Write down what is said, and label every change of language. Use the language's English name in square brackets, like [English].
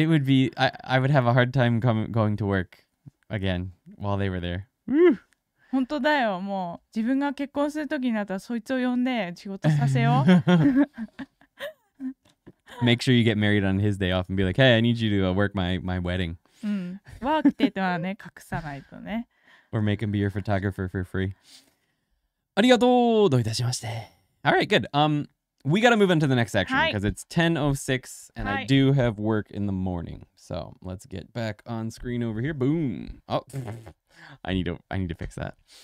[English] It would be… I would have a hard time going to work again while they were there. [Japanese] 本当だよ、もう自分が結婚するときになったらそいつを呼んで仕事させよう。 [English] make sure you get married on his day off and be like, hey, I need you to work my wedding. [Japanese] ワークテートはね、隠さないとね。 [English] Or make him be your photographer for free. [Japanese] ありがとう。どういたしまして。 [English] All right, good. We got to move into the next section because it's 10:06 and I do have work in the morning. So let's get back on screen over here. Boom. Oh, I need to fix that.